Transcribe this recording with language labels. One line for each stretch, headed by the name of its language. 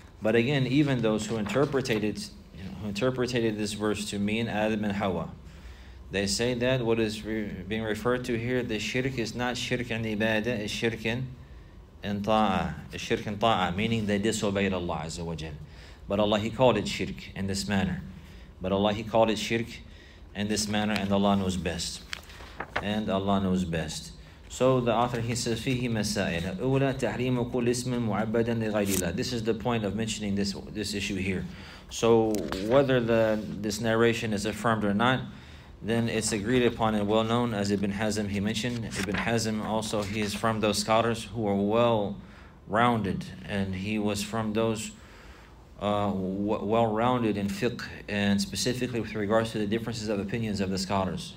English: But again, even those who interpreted this verse to mean Adam and Hawa, they say that what is being referred to here, the shirk, is not shirk in ibadah, it's shirk in ta'ah. Shirk in ta'ah, meaning they disobeyed Allah Azza wa Jal. But Allah, He called it shirk in this manner. But Allah, He called it shirk in this manner, and Allah knows best. And Allah knows best. So the author, he says,
Arabic: فِيهِ مَسَائِلَ أُولَى تَحْرِيمُ كُلْ إِسْمٍ مُعَبَّدًا لِغَيْرِ اللَّهِ.
English: This is the point of mentioning this issue here. So whether this narration is affirmed or not, then it's agreed upon and well known, as Ibn Hazm, he mentioned. Ibn Hazm also, he is from those scholars who are well-rounded, and he was from those well-rounded in fiqh, and specifically with regards to the differences of opinions of the scholars.